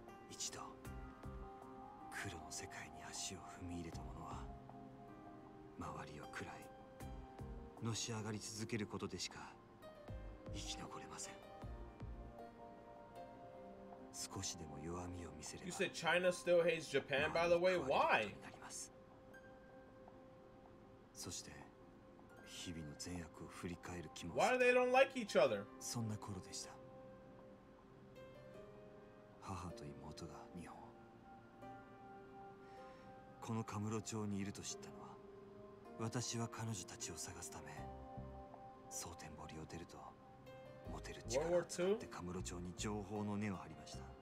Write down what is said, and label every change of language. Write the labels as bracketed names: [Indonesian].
[Japanese] 一度黒の世界に足を踏み入れた者は、周りを喰らいのし上がり続けることでしか生き残れません。少しでも弱みを見せれば、 [English] You said China still hates Japan, by the way. Why? [Japanese] なります。そして日々の善悪を振り返る気持ち。 [English] Why do they don't like each other? [Japanese] そんな頃でした。母と妹が日本、このカムロ町にいると知ったのは、私は彼女たちを探すため、蒼天堀を出ると、持てる力を使ってカムロ町に情報の根を張りました。